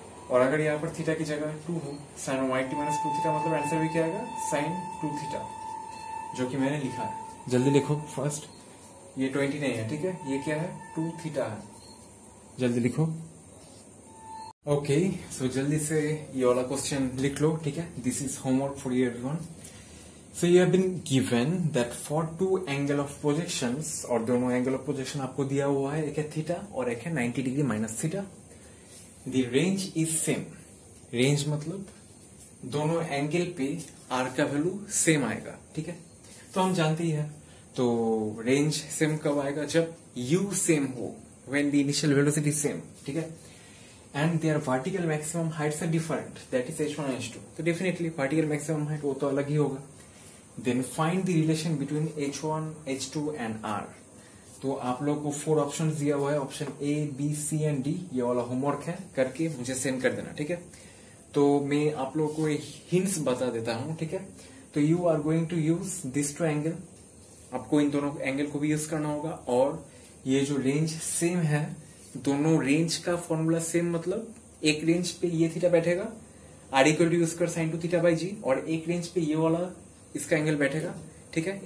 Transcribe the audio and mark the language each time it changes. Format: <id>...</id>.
<hi>और अगर यहाँ पर थीटा की जगह 2 हो, साइन 180 - 2 थीटा मतलब आंसर भी क्या आएगा साइन 2 थीटा, जो कि मैंने लिखा है। जल्दी लिखो फर्स्ट, ये 20 नहीं है, ठीक है, ये क्या है 2 थीटा है, जल्दी लिखो। ओके सो जल्दी से ये वाला क्वेश्चन लिख लो, ठीक है,</hi> <en>This is homework for everyone. So you have been given that for two angle of projections,</en> <hi>और दोनों angle of projection आपको दिया हुआ है, एक है theta और एक है 90 - theta,</hi> <en>the range is same,</en> <hi>range मतलब दोनों angle पे r का value same आएगा, ठीक है। तो हम जानते ही है तो range same कब आएगा, जब u same हो,</hi> <en>when the initial velocity is same,</en> <hi>ठीक है,</hi> <en>and their vertical maximum heights are different, that is h1 and h2,</en> <hi>तो definitely vertical maximum height वो तो अलग ही होगा।</hi> <en>Then find the relation between H1, H2 and R।</en> <hi>तो आप लोगों को 4 ऑप्शन दिया हुआ है, option A B C and D, ये वाला होमवर्क है, करके मुझे सेंड कर देना, ठीक है। तो मैं आप लोगों को एक हिंट्स बता देता हूं, ठीक है। तो</hi> <en>you are going to use this two angle,</en> <hi>आपको इन दोनों एंगल को भी यूज करना होगा, और ये जो रेंज सेम है, दोनों रेंज का फॉर्मूला सेम, मतलब एक रेंज पे ये थीटा बैठेगा आर इक्वल टू यूज कर साइन 2 थीटा बाई जी, और एक रेंज पे ये वाला इसका एंगल बैठेगा, ठीक है।</hi>